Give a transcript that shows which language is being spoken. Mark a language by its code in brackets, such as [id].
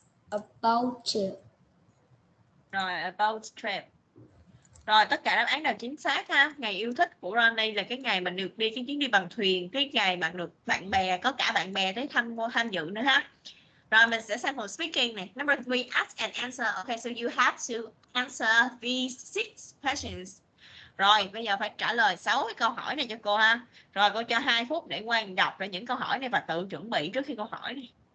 [en] A boat trip. Rồi, a boat trip. [vi] Rồi, tất cả đáp án đều chính xác ha. Ngày yêu thích của Ronnie là cái ngày mình được đi cái chuyến đi bằng thuyền, cái ngày bạn được bạn bè, có cả bạn bè tới tham dự nữa ha. Rồi, mình sẽ sang phần speaking này. [en] Number 3, ask and answer. Okay, so you have to answer these 6 questions. [vi] Rồi, bây giờ phải trả lời 6 cái câu hỏi này cho cô ha. Rồi, cô cho 2 phút để quan đọc ra những câu hỏi này và tự chuẩn bị trước khi câu hỏi này.